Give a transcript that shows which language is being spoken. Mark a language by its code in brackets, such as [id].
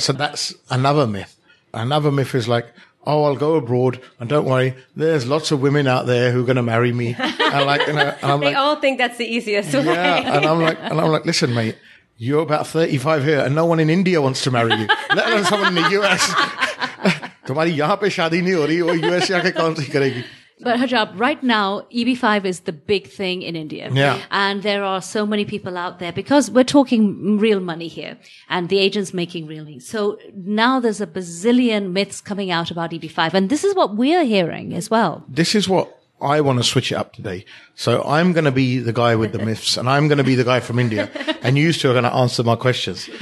[en] So that's another myth. Another myth is like, oh, I'll go abroad and don't worry. There's lots of women out there who are going to marry me. All think that's the easiest way. Yeah. And I'm like, listen, mate, you're about 35 here and no one in India wants to marry you, let alone someone in the US. [hi] तुम्हारी यहाँ पे शादी नहीं हो रही, और US जाके कौन सी करेगी? [en] But Hijab, right now, EB5 is the big thing in India. Yeah. And there are so many people out there because we're talking real money here and the agents making real money. So now there's a bazillion myths coming out about EB5. And this is what we're hearing as well. This is what I want to switch it up today. So I'm going to be the guy with the myths, and I'm going to be the guy from India, and you two are going to answer my questions.